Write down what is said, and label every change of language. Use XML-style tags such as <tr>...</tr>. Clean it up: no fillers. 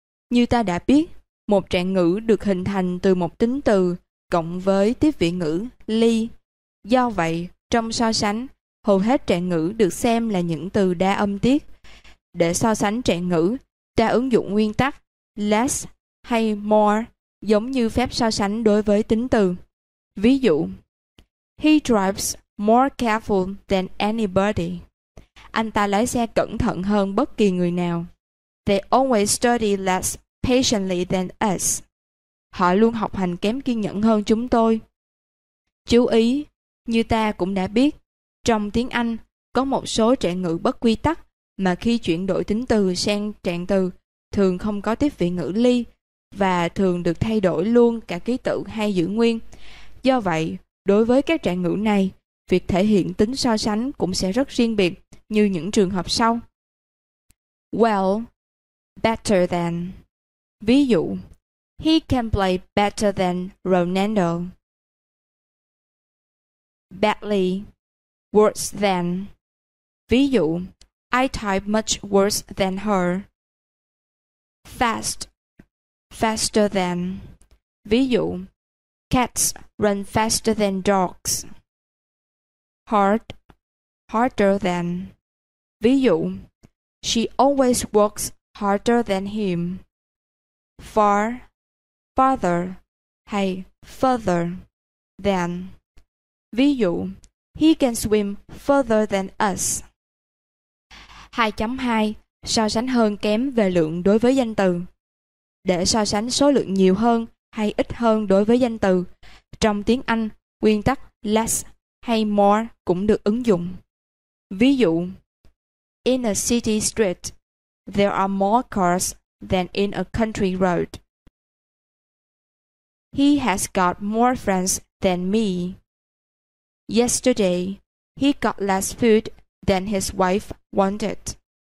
<vi>Như ta đã biết, một trạng ngữ được hình thành từ một tính từ cộng với tiếp vị ngữ ly. Do vậy, trong so sánh, hầu hết trạng ngữ được xem là những từ đa âm tiết. Để so sánh trạng ngữ, ta ứng dụng nguyên tắc less hay more giống như phép so sánh đối với tính từ. Ví dụ,</vi> <en>he drives more careful than anybody.</en> <vi>Anh ta lái xe cẩn thận hơn bất kỳ người nào.</vi> <en>They always study less patiently than us.</en> <vi>Họ luôn học hành kém kiên nhẫn hơn chúng tôi. Chú ý, như ta cũng đã biết, trong tiếng Anh có một số trạng ngữ bất quy tắc mà khi chuyển đổi tính từ sang trạng từ thường không có tiếp vị ngữ ly và thường được thay đổi luôn cả ký tự hay giữ nguyên. Do vậy, đối với các trạng ngữ này, việc thể hiện tính so sánh cũng sẽ rất riêng biệt như những trường hợp sau.</vi> <en>Well, better than.</en> <vi>Ví dụ,</vi> <en>he can play better than Ronaldo. Badly, worse than.</en> <vi>Ví dụ,</vi> <en>I type much worse than her. Fast, faster than.</en> <vi>Ví dụ,</vi> <en>cats run faster than dogs. Hard, harder than.</en> <vi>Ví dụ,</vi> <en>she always works harder than him. Far, farther, hay further than.</en> <vi>Ví dụ,</vi> <en>he can swim further than us. 2.2.</en> <vi>So sánh hơn kém về lượng đối với danh từ. Để so sánh số lượng nhiều hơn hay ít hơn đối với danh từ, trong tiếng Anh, nguyên tắc less hay more cũng được ứng dụng.</vi> <en>Ví dụ, in a city street, there are more cars than in a country road. He has got more friends than me. Yesterday, he got less food than his wife wanted.</en>